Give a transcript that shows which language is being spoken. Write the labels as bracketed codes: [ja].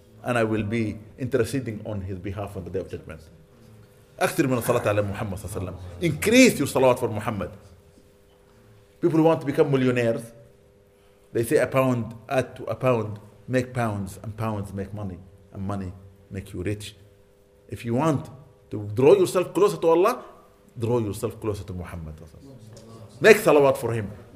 [en] And I will be interceding on his behalf on the day of judgment. [ar] أكثر من الصلاة على محمد صلى الله عليه وسلم. [en] Increase your salawat for Muhammad. People who want to become millionaires, they say a pound add to a pound. make pounds, and pounds make money, and money make you rich. If you want to draw yourself closer to Allah, draw yourself closer to Muhammad. Make salawat for him.